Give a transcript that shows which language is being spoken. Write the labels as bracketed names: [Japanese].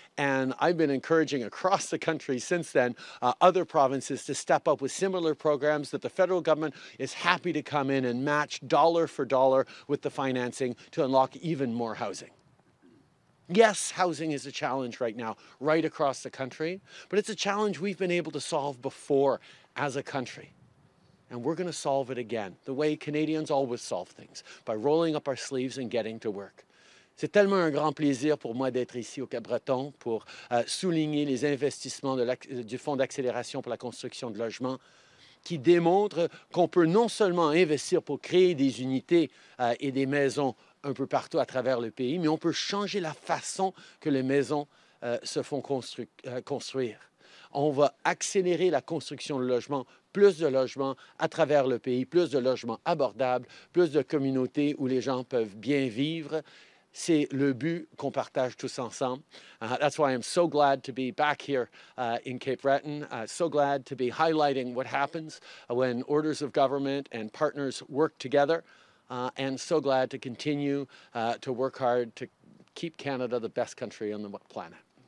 [English] And I've been encouraging across the country since then other provinces to step up with similar programs that the federal government is happy to come in and match dollar for dollar with the financing to unlock even more housing. Yes, housing is a challenge right now, right across the country, but it's a challenge we've been able to solve before as a country. And we're going to solve it again, the way Canadians always solve things, by rolling up our sleeves and getting to work. [French] C'est tellement un grand plaisir pour moi d'être ici au Cap Breton pour souligner les investissements du Fonds d'accélération pour la construction de logements, qui démontre qu'on peut non seulement investir pour créer des unités et des maisons un peu partout à travers le pays, mais on peut changer la façon que les maisons se font construire. On va accélérer la construction de logements, plus de logements à travers le pays, plus de logements abordables, plus de communautés où les gens peuvent bien vivre. C'est le but qu'on partage tous ensemble. [English] That's why I'm so glad to be back here in Cape Breton. So glad to be highlighting what happens when orders of government and partners work together. And so glad to continue to work hard to keep Canada the best country on the planet.